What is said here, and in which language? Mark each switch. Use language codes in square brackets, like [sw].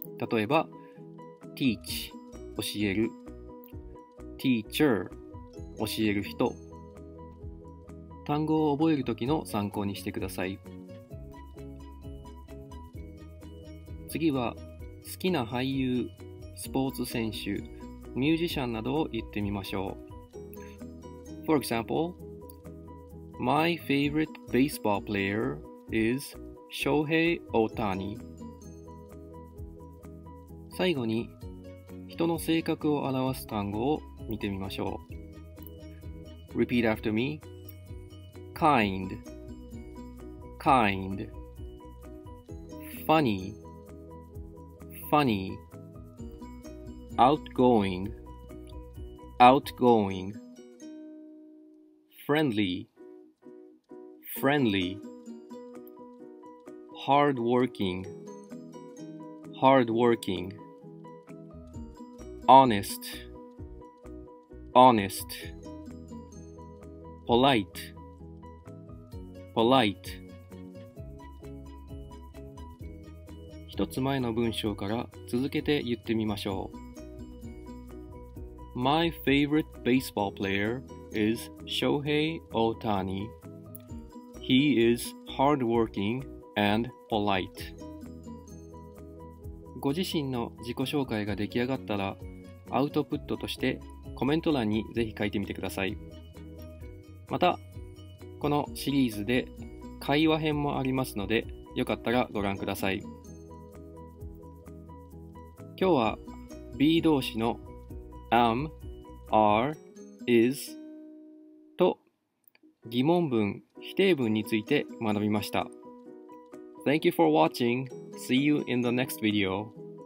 [ja] 例えば teach 教える、 teacher 教える人。単語を覚えるときの参考にしてください。次は好きな俳優、スポーツ選手、ミュージシャンなどを言ってみましょう。 [en] For example, My favorite baseball player is Shohei Ohtani. [ja] 最後に人の性格を表す単語を見てみましょう。 [en] Repeat after me. Kind, kind. Funny, funny. Outgoing, outgoing. Friendly, friendly. Hardworking, hardworking. Honest, honest. Polite, polite. [ja] 一つ前の文章から続けて言ってみましょう。 [en] My favorite baseball player is Shohei Ohtani. He is hardworking and polite. [ja] ご自身の自己紹介が出来上がったら、アウトプットとしてコメント欄にぜひ書いてみてください。また、このシリーズで会話編もありますので、よかったらご覧ください。今日は be 動詞の am、are、is と疑問文、否定文について学びました。 [en] Thank you for watching. See you in the next video.